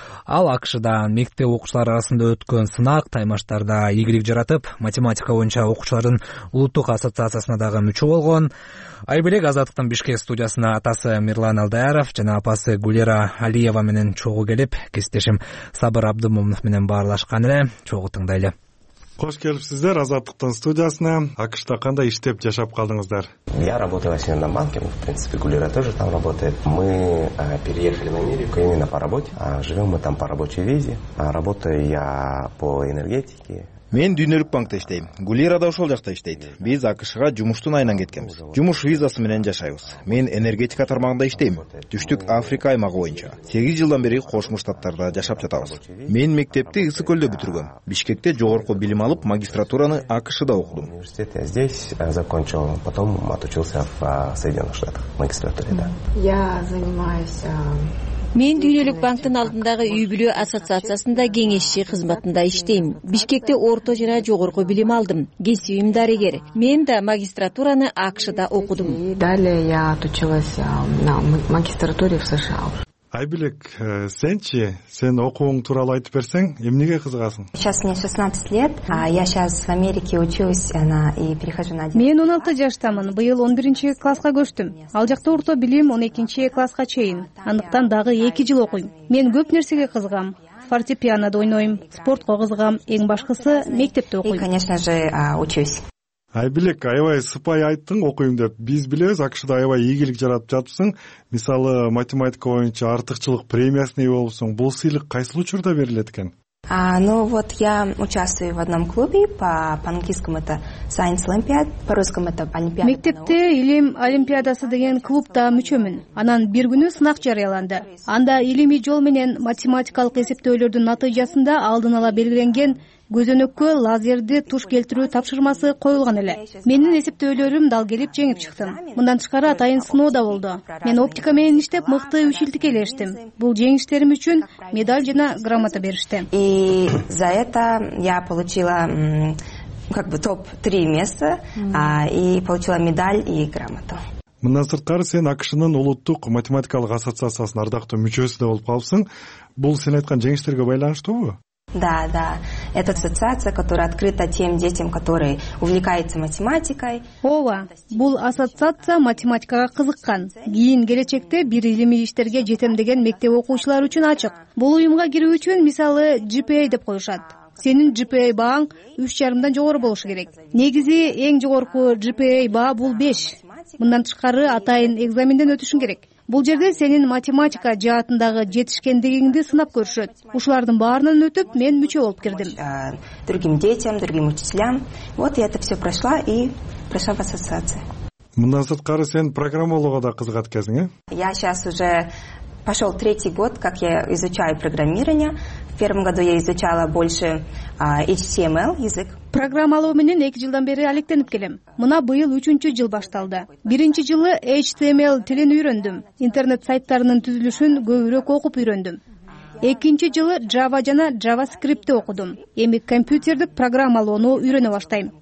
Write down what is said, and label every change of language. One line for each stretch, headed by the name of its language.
Kyrgyz: Ал АКШда мектеп окуучулары арасында өткөн сынак таймаштарда ийгилик жаратып, математика боюнча окуучулардын улуттук ассоциациясына дагы мүчө болгон. Айбилек Азаттыктын Бишкек студиясына атасы Мирлан Алдаяров жана апасы Гулера Алиева менен чогуу келип, кесиптешим Сабыр Абдымомунов менен баарлашкан эле. Чогуу тыңдайлы. Кош келипсиздер Азаттыктын студиясына. АКШ-та кандай иштеп жашап калдыңыздар?
Russian: Я работаю в основном в банке, в принципе, Гулера тоже там работает. Мы переехали в Америку именно по работе. Живем мы там по рабочей визе. Работаю я по энергетике.
Kyrgyz: Мен дүйнөлүк банкта иштейм. Гулира да ошол жакта иштейт. Биз АКШ-га жумуштун айынан кеткенбиз. Жумуш визасы менен жашайбыз. Мен энергетика тармагында иштейм. Түштүк Африка аймагы боюнча. 8 жылдан бери Кошмо Штаттарда жашап жатабыз. Мен мектепти Ысык Көлдө бүтүргөм. Бишкекте жогорку билим алып, магистратураны АКШ-да окудум.
Russian: Университет здесь закончил, потом отучился в Соединённых Штатах, магистратуре, да. Я занимаюсь
Kyrgyz: Мен дүйнөлүк банктын алдындагы үй бүлө ассоциациясында кеңешчи кызматында иштейм. Бишкекте орто жана жогорку билим алдым. Кесибим дарыгер. Мен да магистратураны АКШ-да окудум.
Russian: Далее я отучилась на магистратуре в США.
Kyrgyz: Айбилек, сенчи, сен окууң тууралуу айтып берсең, эмнеге кызыгасың?
Russian: Сейчас мне 16 лет, а я сейчас в Америке учусь, она и перехожу на 1.
Kyrgyz: Мен 16 жаштамын, быйыл 11-чи класска көчтүм. Ал жакта орто билим 12-чи класска чейин. Андыктан дагы 2 жыл окуйм. Мен көп нерсеге кызыгам. Фортепианода ойнойм, спортко кызыгам, эң башкысы мектепте окуйм.
Russian: И, конечно же, учусь.
Kyrgyz: Айбилек, аябай сыпай айттың окуйм деп. Биз билебиз, АКШ-да аябай ийгилик жаратып жатпсың. Мисалы, математика боюнча артыкчылык премиясына ээ болсоң, бул сыйлык кайсыл учурда берилет экен?
Russian: Ну вот я участвую в одном клубе, по английскому это Science Olympiad, по русскому это Олимпиада.
Kyrgyz: Мектепте илим олимпиадасы деген клубта мүчөмүн. Анан бир күнү сынак жарыяланды. Анда илимий жол менен математикалык эсептөөлөрдүн натыйжасында алдын ала белгиленген көзөнөккө лазерди туш келтирүү тапшырмасы коюлган эле. Менин эсептөөлөрүм дал келип жеңип чыктым. Мындан тышкары атайын сыноо да болду. Мен оптика менен иштеп мыкты үчилтик ээлештим. Бул жеңиштерим үчүн медаль жана грамота беришти.
Russian: И за это я получила как бы топ 3 места, и получила медаль и грамоту.
Kyrgyz: Мындан сырткары сен АКШ-нын улуттук математикалык ассоциациясынын ардактуу мүчөсү да болуп калыпсың. Бул сен айткан жеңиштерге байланыштуубу?
Russian: Да, да. Это ассоциация, которая открыта тем детям, которые увлекаются математикой.
Kyrgyz: Ова, бул ассоциация математикага кызыккан. Кийин келечекте бир илимий иштерге жетем деген мектеп окуучулары үчүн ачык. Бул уюмга кирүү үчүн, мисалы, GPA деп коюшат. Сенин GPA бааң 3.5'дан жогору болушу керек. Негизи эң жогорку GPA баа бул 5. Мындан тышкары атайын экзаменден өтүшүң керек. Бул жерде сенин математика жаатындагы жетишкендигиңди сынап көрүшөт. Ушулардын баарынан өтүп, мен мүчө болуп кирдим.
Russian: Другим детям, другим учителям. Вот я это все прошла и прошла в ассоциации.
Kyrgyz: Мындан сырткары сен программалоого да кызыгат экенсиң, э?
Russian: Я сейчас уже пошел третий год, как я изучаю программирование. В первом году я изучала больше HTML язык.
Kyrgyz: Программалоо менен 2 жылдан бери алектенип келем. Мына быйыл 3-чү жыл башталды. Биринчи жылы HTML тилин үйрөндүм. Интернет сайттарынын түзүлүшүн көбүрөөк окуп үйрөндүм. Экинчи жылы Java жана JavaScript окудум. Эми компьютердик программалоону үйрөнө баштайм.